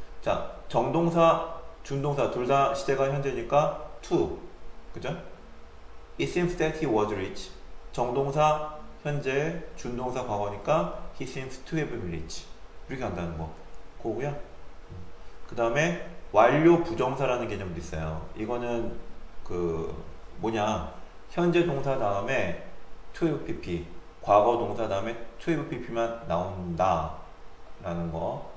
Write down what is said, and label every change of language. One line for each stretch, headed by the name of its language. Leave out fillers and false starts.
Korean: 자, 정동사, 준동사 둘다 시제가 현재니까 to, 그죠?
English: It seems that he was rich.
Korean: 정동사 현재, 준동사 과거니까
English: he seems to have been rich.
Korean: 이렇게 한다는 거, 그거고요. 그 다음에 완료 부정사라는 개념도 있어요. 이거는 그 뭐냐, 현재 동사 다음에 to have pp, 과거 동사 다음에 to have pp만 나온다. 라는 거.